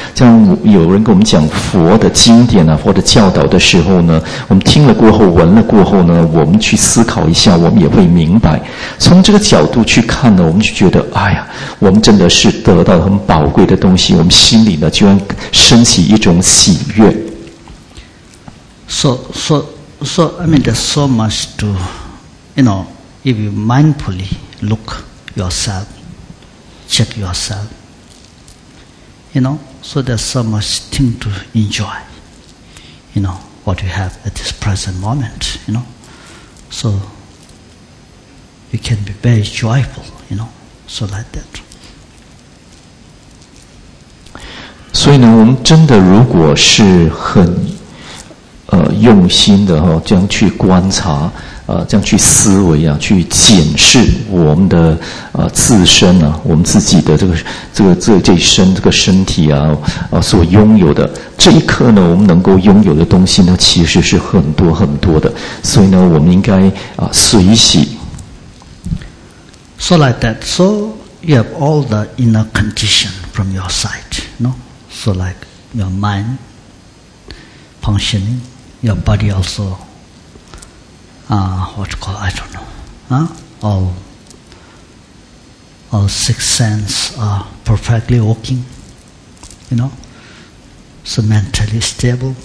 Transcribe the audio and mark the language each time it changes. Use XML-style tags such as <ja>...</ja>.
<zh>这样有人跟我们讲佛的经典啊，或者教导的时候呢，我们听了过后，闻了过后呢，我们去思考一下，我们也会明白。从这个角度去看呢，我们就觉得，哎呀，我们真的是得到很宝贵的东西，我们心里呢，就升起一种喜悦。</zh> <en>So, I mean, there's so much to, you know, if you mindfully look yourself, check yourself, you know, so there's so much thing to enjoy, you know, what you have at this present moment, you know. So, you can be very joyful, you know, so like that.</en> <zh>所以呢，我们真的如果是很用心的哈，这样去观察，这样去思维啊，去检视我们的自身啊，我们自己的这个身体啊，所拥有的这一刻呢，我们能够拥有的东西呢，其实是很多很多的。所以呢，我们应该随喜。</zh> <en>So like that. So you have all the inner condition from your side, no? So like your mind functioning, your body also, all six sense are perfectly working, you know, so mentally stable.</en>